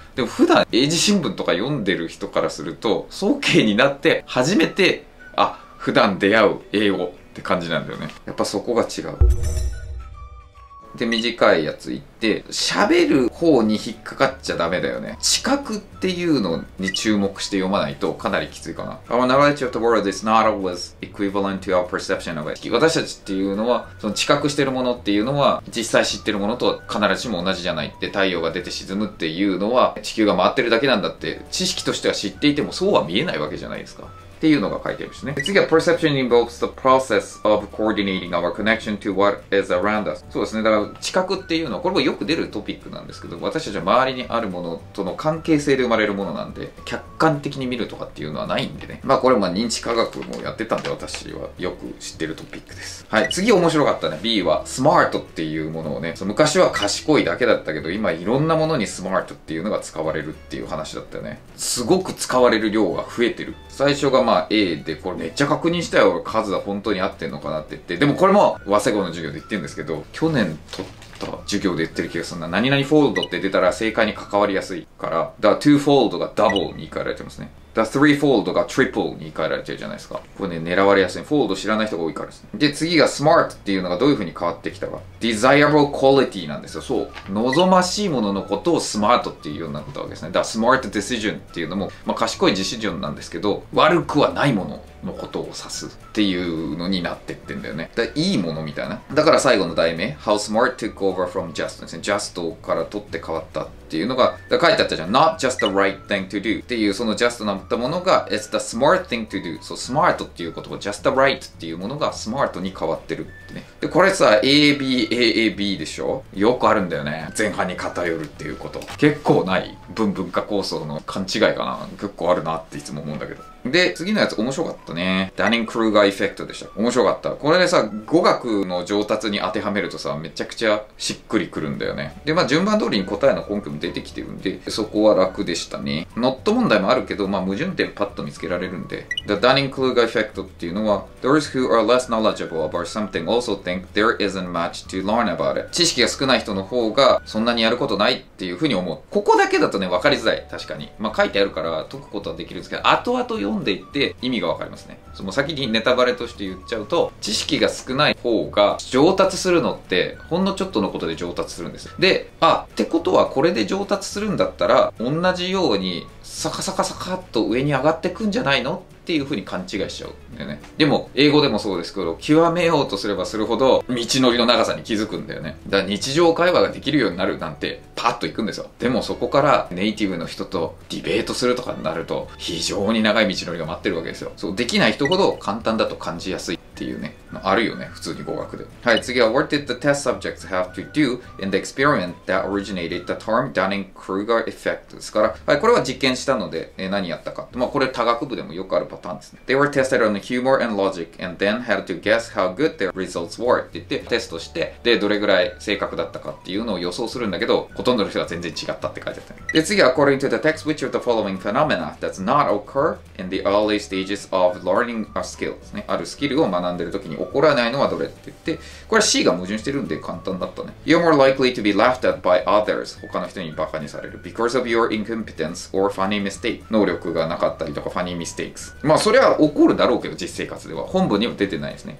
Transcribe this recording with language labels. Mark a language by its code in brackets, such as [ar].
[ja] でも普段英字新聞とか読んでる人からすると、総計になって初めて、あ、普段出会う英語って感じなんだよね。やっぱそこが違う。で、短いやつ言って、喋る方に引っかかっちゃダメだよね。知覚っていうのに注目して読まないとかなりきついかな。 [en] Our knowledge of the world is not always equivalent to our perception of it. [ja] 私たちっていうのは、その知覚してるものっていうのは、実際知ってるものとは必ずしも同じじゃないって、太陽が出て沈むっていうのは、地球が回ってるだけなんだって、知識としては知っていてもそうは見えないわけじゃないですか。っていうのが書いてあるしね。次は [en] perception involves the process of coordinating our connection to what is around us。 [ja] そうですね。だから知覚っていうのはこれもよく出るトピックなんですけど、私たちは周りにあるものとの関係性で生まれるものなんで、客観的に見るとかっていうのはないんでね。まあこれも認知科学もやってたんで、私はよく知ってるトピックです。はい、次面白かったね。 B は smart っていうものをね、その昔は賢いだけだったけど、今いろんなものに smart っていうのが使われるっていう話だったよね。すごく使われる量が増えてる。最初がまあ、A でこれめっちゃ確認したよ、数は本当に合ってんのかなって言って、でもこれも早稲田の授業で言ってるんですけど、去年取った授業で言ってる気がするな。何々フォールドって出たら正解に関わりやすいから、だから2フォールドがダブルに言い換えられてますね。だから3フォールドがトリプルに言い換えられてるじゃないですか。これね、狙われやすい。フォールド知らない人が多いからですね。で、次がスマートっていうのがどういう風に変わってきたか。desirable quality なんですよ。そう、望ましいもののことをスマートっていうようになったわけですね。だからスマートディシジョンっていうのも、まあ賢いディシジョンなんですけど、悪くはないもののことを指すっていうのになってってんだよね。だからいいものみたいな。だから最後の題名、 [en] how smart took over from just [ja] ですね。 just から取って変わったっていうのが、だから書いてあったじゃん。 [en] not just the right thing to do [ja] っていう、その [en] just [ja] なったものが、 [en] it's the smart thing to do。 [ja] そう、smart っていう言葉、just the right っていうものが smart に変わってるってね。で、これさ、ABAAB でしょ？よくあるんだよね。前半に偏るっていうこと。結構ない。文文化構想の勘違いかな。結構あるなっていつも思うんだけど。で、次のやつ面白かったね。ダニン・クルーガーエフェクトでした。面白かった。これでさ、語学の上達に当てはめるとさ、めちゃくちゃしっくりくるんだよね。で、まぁ、順番通りに答えの根拠も出てきてるんで、そこは楽でしたね。ノット問題もあるけど、まぁ、矛盾点パッと見つけられるんで。 [en] The Dunning-Kruger effect [ja] っていうのは、 [en] Those who are less knowledgeable about something also think there isn't much to learn about it。 [ja] 知識が少ない人の方が、そんなにやることないっていうふうに思う。ここだけだとね、わかりづらい。確かに。まぁ、書いてあるから、解くことはできるんですけど、後々読んでいって意味がわかりますね。その先にネタバレとして言っちゃうと、知識が少ない方が上達するのってほんのちょっとのことで上達するんですよ。で、あ、ってことはこれで上達するんだったら同じようにサカサカサカっと上に上がってくんじゃないのっていう風に勘違いしちゃうんだよね。でも英語でもそうですけど、極めようとすればするほど道のりの長さに気づくんだよね。だから日常会話ができるようになるなんてパッと行くんですよ。でもそこからネイティブの人とディベートするとかになると非常に長い道のりが待ってるわけですよ。そう、できない人ほど簡単だと感じやすいっていうね、あるよね、普通に語学で。はい、次は [en] What did the test subjects have to do in the experiment that originated the term Dunning-Kruger effect? [ja] ですから、はい、これは実験したので、何やったか。まあ、これ、多学部でもよくあるパターンですね。 [en] They were tested on humor and logic and then had to guess how good their results were [ja] って言って、テストして、で、どれぐらい正確だったかっていうのを予想するんだけど、ほとんどの人は全然違ったって書いてあった、ね。で、次は [en] According to the text, which of the following phenomena does not occur in the early stages of learning a skill? [ja] ですね、あるスキルを学んでる時に怒らないのはどれって言って、これは C が矛盾してるんで簡単だったね。 [en] You're more likely to be laughed at by others [ja] 他の人にバカにされる [en] because of your incompetence or funny mistake [ja] 能力がなかったりとか [en] funny mistakes [ja] まあそれは怒るだろうけど実生活では本文には出てないですね。